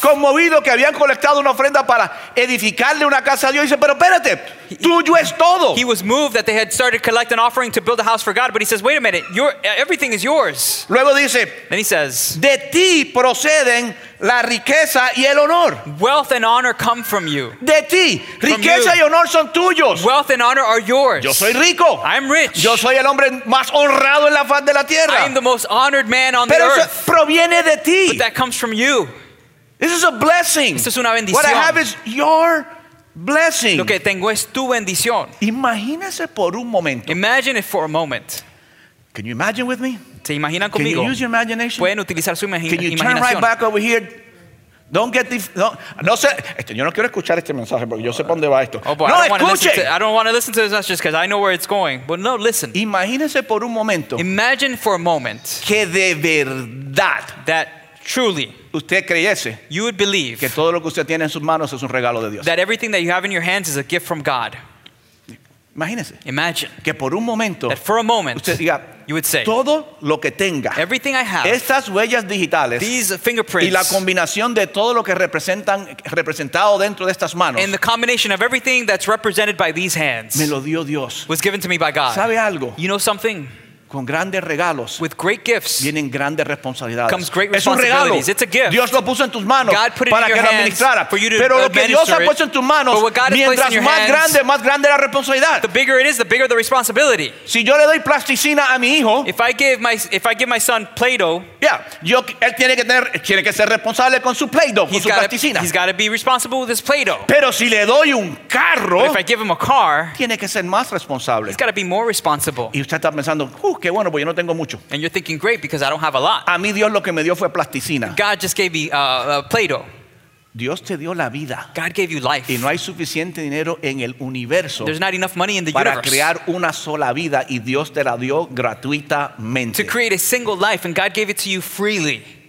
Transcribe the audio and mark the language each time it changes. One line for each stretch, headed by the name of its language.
Spanish: Conmovido que habían colectado una ofrenda para edificarle una casa a Dios, dice, pero espérate, tuyo es todo.
English: He was moved that they had started to collect an offering to build a house for God, but he says, wait a minute, everything is yours.
Spanish: Luego dice,
English: then he says,
Spanish: de ti proceden la riqueza y el honor.
English: Wealth and honor come from you.
Spanish: De ti, riqueza y honor son tuyos.
English: Wealth and honor are yours.
Spanish: Yo soy rico.
English: I'm rich.
Spanish: Yo soy el hombre más honrado en la faz de la tierra.
English: I am the most honored man on
Spanish: pero
English: the earth.
Spanish: Pero eso proviene de ti.
English: But that comes from you. This is a blessing.
Spanish: Esto es una bendición.
English: What I have is your blessing.
Spanish: Lo que tengo es tu bendición. Imagínese por un momento.
English: Imagine it for a moment. Can you imagine with me?
Spanish: ¿Se imaginan conmigo?
English: Can you use your imagination?
Spanish: ¿Pueden utilizar su imaginación?
English: Can you turn right back over here? Don't get this.
Spanish: Yo no quiero escuchar este mensaje porque yo sé para dónde va esto.
English: Oh boy,
Spanish: no,
English: I don't want to listen to this message because I know where it's going. But no, listen.
Spanish: Imagínese por un momento.
English: Imagine for a moment.
Spanish: Que de verdad.
English: That truly.
Spanish: Usted creyese.
English: You would believe.
Spanish: Que todo lo que usted tiene en sus manos es un regalo de Dios.
English: That everything that you have in your hands is a gift from God.
Spanish: Imagínese.
English: Imagine.
Spanish: Que por un momento.
English: That for a moment.
Spanish: Usted diga.
English: You would say,
Spanish: todo lo que tenga,
English: everything I have,
Spanish: estas huellas digitales,
English: these fingerprints,
Spanish: y la combinación de todo lo que representan, representado dentro de estas manos,
English: and the combination of everything that's represented by these hands,
Spanish: me lo dio Dios.
English: Was given to me by God.
Spanish: ¿Sabe algo?
English: You know something?
Spanish: Con grandes regalos,
English: with great gifts,
Spanish: vienen grandes responsabilidades.
English: Comes great responsibilities. It's a gift.
Spanish: Dios lo puso en tus manos para que lo administrara. Pero lo que Dios ha puesto en tus manos, mientras más grande la responsabilidad.
English: The bigger it is, the bigger the responsibility.
Spanish: Si yo le doy plasticina a mi hijo,
English: if I give my son Play-Doh,
Spanish: yeah, él tiene que ser responsable con su Play-Doh, con su plasticina.
English: He's got to be responsible with his Play-Doh.
Spanish: Pero si le doy un carro,
English: but if I give him a car,
Spanish: tiene que ser más responsable.
English: He's got to be more responsible.
Spanish: Y usted está pensando. Qué bueno, pues yo no tengo mucho.
English: And you're thinking, great, because I don't have a lot.
Spanish: A mí Dios lo que me dio fue plasticina.
English: God just gave me Play-Doh.
Spanish: Dios te dio la vida.
English: God gave you life.
Spanish: Y no hay suficiente dinero en el universo.
English: There's not enough money in the universe.
Spanish: Para crear una sola vida y Dios te la dio gratuitamente.
English: To create a single life and God gave it to you freely.